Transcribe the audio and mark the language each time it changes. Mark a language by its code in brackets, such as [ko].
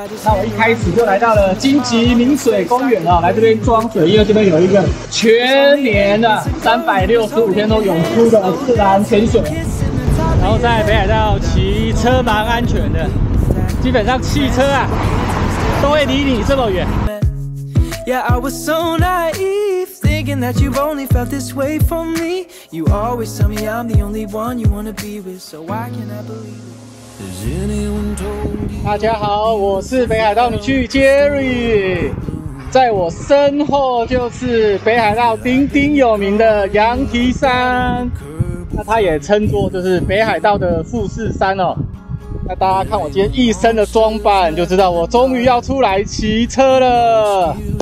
[zh] 那我一开始就来到了金吉明水公园啊，来这边装水，因为这边有一个全年的365天都涌出的自然泉水。然后在北海道骑车蛮安全的，基本上汽车啊都会离你这么远。 [en] Yeah, I was so naive, thinking that you've only felt this way for me. You always tell me I'm the only one you wanna be with, so why can't I believe it? [zh] 大家好，我是北海道女婿 Jerry。在我身后就是北海道鼎鼎有名的羊蹄山，那它也称作就是北海道的富士山哦。那大家看我今天一身的装扮，就知道我终于要出来骑车了。